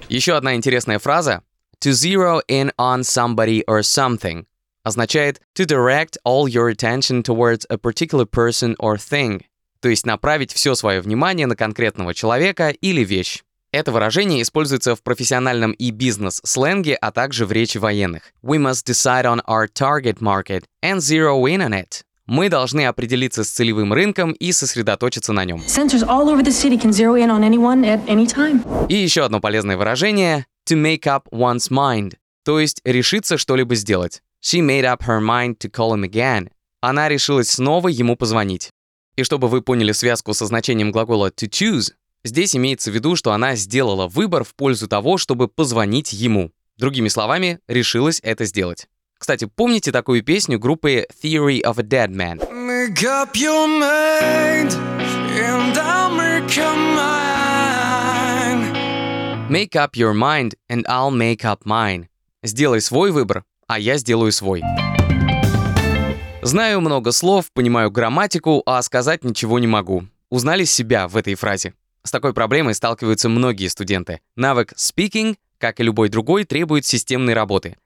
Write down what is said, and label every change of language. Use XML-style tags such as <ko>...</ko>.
<ru>Еще одна интересная фраза</ru> <en>«to zero in on somebody or something» означает «to direct all your attention towards a particular person or thing»,</en> <ru>то есть направить все свое внимание на конкретного человека или вещь. Это выражение используется в профессиональном и бизнес-сленге, а также в речи военных.</ru> <en>We must decide on our target market and zero in on it.</en> <ru>Мы должны определиться с целевым рынком и сосредоточиться на нем.</ru> <en>Sensors all over the city can zero in on anyone at any time.</en> <ru>И еще одно полезное выражение – to make up one's mind, то есть решиться что-либо сделать.</ru> <en>She made up her mind to call him again.</en> <ru>Она решилась снова ему позвонить. И чтобы вы поняли связку со значением глагола to choose, здесь имеется в виду, что она сделала выбор в пользу того, чтобы позвонить ему. Другими словами, решилась это сделать. Кстати, помните такую песню группы Theory of a Dead Man?</ru> <en>Make up your mind, and I'll make up mine. Make up your mind, and I'll make up mine.</en> <ru>Сделай свой выбор, а я сделаю свой. Знаю много слов, понимаю грамматику, а сказать ничего не могу. Узнали себя в этой фразе? С такой проблемой сталкиваются многие студенты. Навык speaking, как и любой другой, требует системной работы.</ru>